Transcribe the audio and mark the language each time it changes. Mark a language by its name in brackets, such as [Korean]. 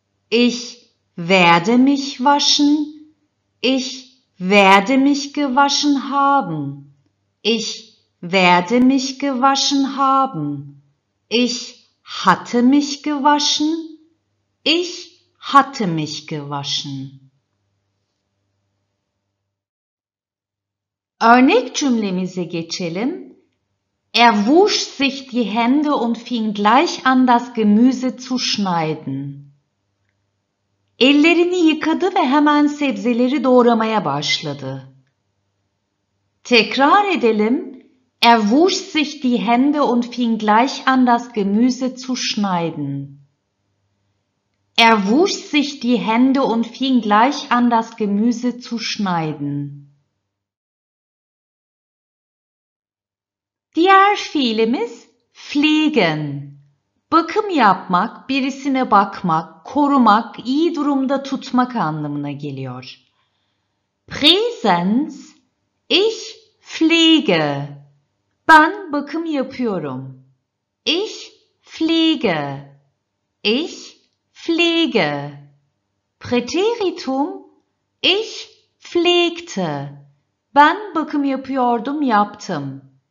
[German] Ich werde mich waschen. Ich werde mich gewaschen haben. Ich werde mich gewaschen haben. Ich hatte mich gewaschen. Ich hatte mich gewaschen. [Turkish] Örnek cümlemize geçelim. [German] Wusch sich die Hände und fing gleich an, das Gemüse zu schneiden. [Turkish] Ellerini yıkadı ve hemen sebzeleri doğramaya başladı. Tekrar edelim. [German] Wusch sich die Hände und fing gleich an, das Gemüse zu schneiden. Wusch sich die Hände und fing gleich an, das Gemüse zu schneiden. [Turkish] Diğer fiilimiz pflegen. Bakım yapmak, birisine bakmak, korumak, iyi durumda tutmak anlamına geliyor. [German] Präsenz, ich pflege. [Turkish] Ben bakım yapıyorum. [German] Ich pflege. Ich pflege. Präteritum, ich pflegte. [Turkish] Ben bakım yapıyordum, yaptım.